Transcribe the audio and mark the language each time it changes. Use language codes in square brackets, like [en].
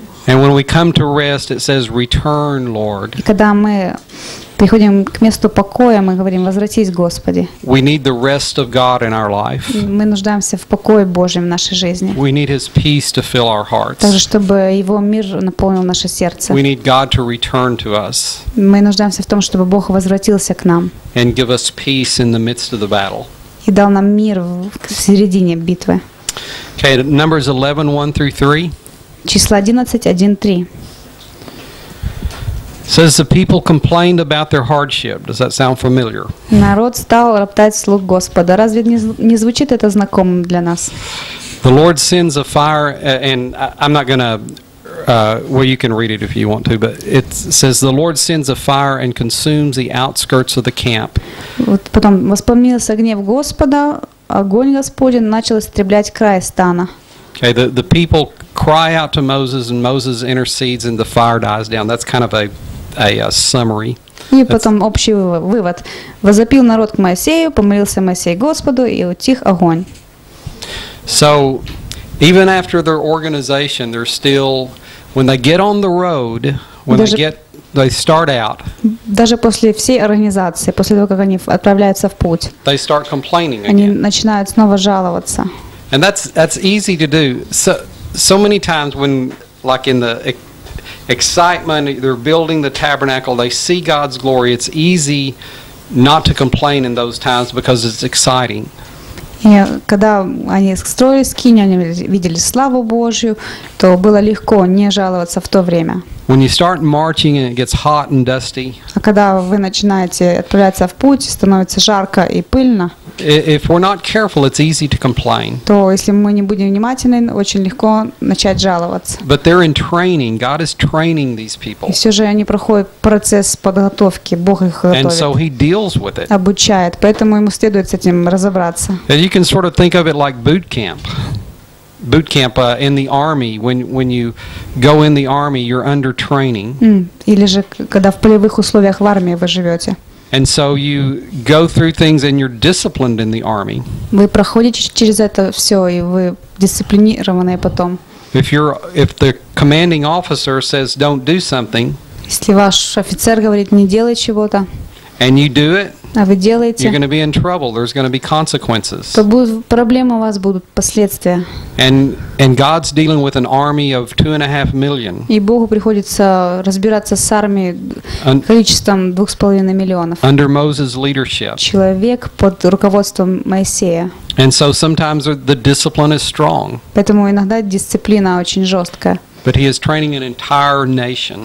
[en] And when we come to rest, it says, "Return, Lord." [ru] И когда мы приходим к месту покоя, мы говорим: «Возвратись, Господи». [en] We need the rest of God in our life. [ru] Мы нуждаемся в покое Божьем в нашей жизни. [en] We need His peace to fill our hearts. [ru] Также чтобы Его мир наполнил наше сердце. [en] We need God to return to us. [ru] Мы нуждаемся в том, чтобы Бог возвратился к нам. [en] And give us peace in the midst of the battle. [ru] И дал нам мир в середине битвы. [en] Okay, Numbers 11, 1 through 3. [ru] Числа 11:1-3. [en] Says the people complained about their hardship. Does that sound familiar? [ru] Народ стал роптать слуг Господа. Разве не звучит это знакомым для нас? [en] The Lord sends a fire, and I'm not gonna. You can read it if you want to, but it says the Lord sends a fire and consumes the outskirts of the camp. [ru] Вот потом воспламенился гнев Господа, огонь Господень начал истреблять край стана. [en] Okay, the people cry out to Moses, and Moses intercedes, and the fire dies down. That's kind of a summary. [ru] И потом общий вывод. Возопил народ к Моисею, помолился Моисей Господу, и утих огонь. [en] So, even after their organization, they're still, when they get on the road, when they get, they start out. [ru] Даже после всей организации, после того, как они отправляются в путь, [en] they start complaining again. [ru] Они начинают снова жаловаться. [en] And that's easy to do. So many times when, like in the excitement, they're building the tabernacle, they see God's glory, it's easy not to complain in those times because it's exciting. [ru] И когда они строили скинию, они видели славу Божью, то было легко не жаловаться в то время. [en] When you start marching and it gets hot and dusty, [ru] а когда вы начинаете отправляться в путь, становится жарко и пыльно, [en] if we're not careful, it's easy to complain. [ru] То если мы не будем внимательны, очень легко начать жаловаться. [en] But they're in training. God is training these people. [ru] И все же они проходят процесс подготовки. Бог их готовит. [en] And so he deals with it. [ru] Обучает. Поэтому ему следует с этим разобраться. [en] And you can sort of think of it like boot camp. Boot camp in the army. When you go in the army, you're under training. [ru] Или же когда в полевых условиях в армии вы живете. [en] And so you go through things, and you're disciplined in the army. [ru] Вы проходите через это все, и вы дисциплинированы потом. [en] If the commanding officer says don't do something, [ru] если ваш офицер говорит не делай чего-то, [en] and you do it, [ru] а вы делаете, [en] you're going to be in trouble. There's going to be consequences. [ru] То будут проблемы, у вас будут последствия. [en] And God's dealing with an army of 2.5 million. [ru] И Богу приходится разбираться с армией количеством 2.5 миллионов. [en] Under Moses' leadership. [ru] Человек под руководством Моисея. [en] And so sometimes the discipline is strong. [ru] Поэтому иногда дисциплина очень жесткая. [en] But he is training an entire nation.